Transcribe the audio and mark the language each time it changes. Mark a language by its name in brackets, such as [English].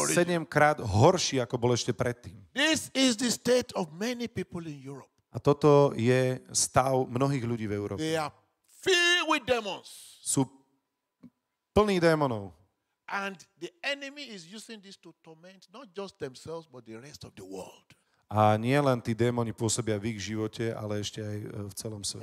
[Slovak] sedemkrát horší, ako bol ešte predtým. [English] This is the state of many people in Europe. [Slovak] A toto je stav mnohých ľudí v Európe. [English] They are filled with demons. [Slovak] Sú plní démonov. [English] And the enemy is using this to torment not just themselves but the rest of the world. [Slovak] A nie len tí démoni pôsobia v ich živote, ale ešte aj v celom svete.